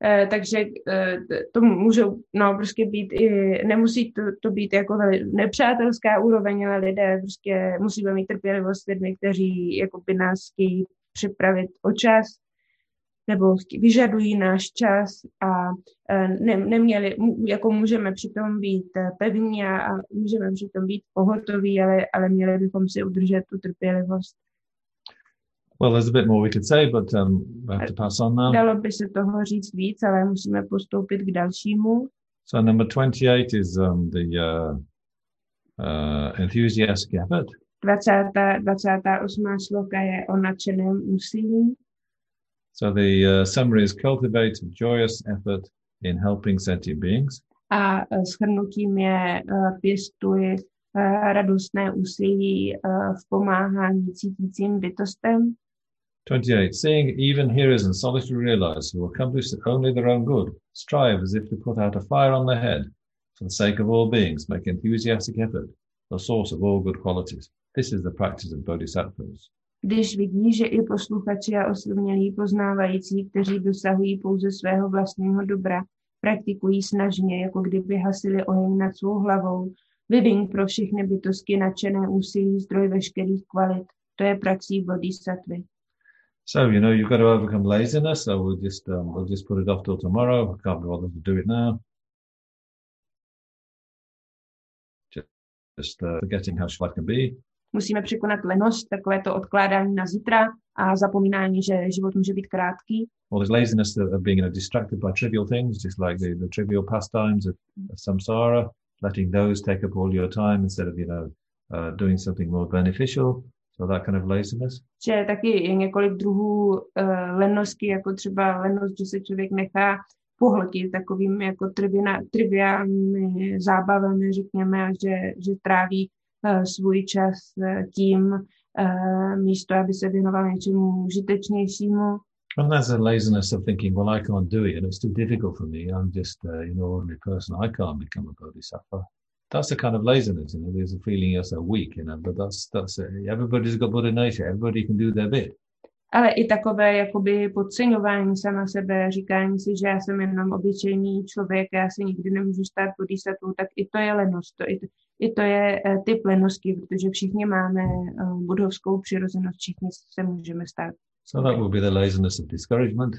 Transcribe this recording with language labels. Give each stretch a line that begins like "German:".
Czech: Takže to může prostě být i, nemusí to být jako nepřátelská úroveň, ale lidé prostě musíme mít trpělivost s lidmi, kteří jakoby nás chtějí připravit o čas nebo vyžadují náš čas a neměli, jako můžeme přitom být pevní a můžeme přitom být pohotoví, ale měli bychom si udržet tu trpělivost.
English: Well, there's a bit more we could say, but we have to pass on now.
Czech: Dalo by se toho říct víc, ale musíme postoupit k dalšímu.
English: So number 28 is the enthusiastic effort.
Czech: 28. sloka je o nadšeném úsilí.
English: So the summary is cultivate joyous effort in helping sentient beings.
Czech: A shrnutím je pěstuje radostné úsilí v pomáhání cítícím bytostem.
English: 28. Seeing even hearers and solitary realizers who accomplish only their own good strive as if to put out a fire on their head for the sake of all beings, make enthusiastic effort, the source of all good qualities. This is the practice of bodhisattvas.
Czech: Když vidí, že i posluchači a osvědčení poznávající, kteří dosahují pouze svého vlastního dobra, praktikují snažně, jako kdyby hasili oheň nad svou hlavou, vyvinou pro všechny bytosti nadšené úsilí zdroj veškerých kvalit. To je praxí bodhisattvy.
English: So, you've got to overcome laziness, so we'll just put it off till tomorrow. I can't bother to do it now. Just forgetting how short I can be.
Czech: Musíme překonat lenost, takové to odkládání na zítra a zapomínání, že život může být krátký.
English: Well, there's laziness of being distracted by trivial things, just like the trivial pastimes of samsara, letting those take up all your time instead of, doing something more beneficial. So that kind of laziness.
Czech: Že taky je několik druhů lenosti, jako třeba lenost, že se člověk nechá pohltit takovým jako triviálními zábavami, řekněme, a že tráví svůj čas tím místo, aby se věnoval něčemu užitečnějšímu.
English: And that's a laziness of thinking, well, I can't do it, and it's too difficult for me. I'm just an ordinary person. I can't become a bodhisattva. That's a kind of laziness, there's a feeling you're so weak, but that's it. Everybody's got Buddha nature, everybody can do their bit.
Czech: Ale i takové jakoby podceňování sama sebe, říkání si, že já jsem jenom obyčejný člověk, já se nikdy nemůžu stát bodhisattvou, tak i to je lenost, i to je typ lenosti, protože všichni máme budovskou přirozenost, všichni se můžeme stát
English: So that will be the laziness of discouragement.